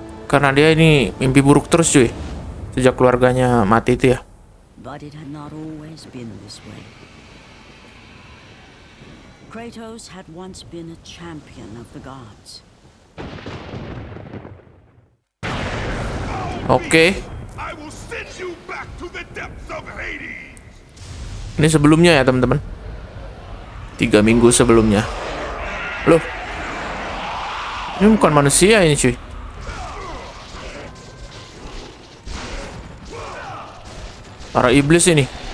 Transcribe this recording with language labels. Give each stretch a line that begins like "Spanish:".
Indonesian: Karena dia ini mimpi buruk terus cuy, sejak keluarganya mati itu ya.
English: But it had not always been this way. Kratos had once been a champion of the gods. Okay. I will send you back to the depths of Hades.
Indonesian: Ini sebelumnya ya teman-teman. 3 minggu sebelumnya. Loh, ini bukan manusia ini cuy. Para iblis ini.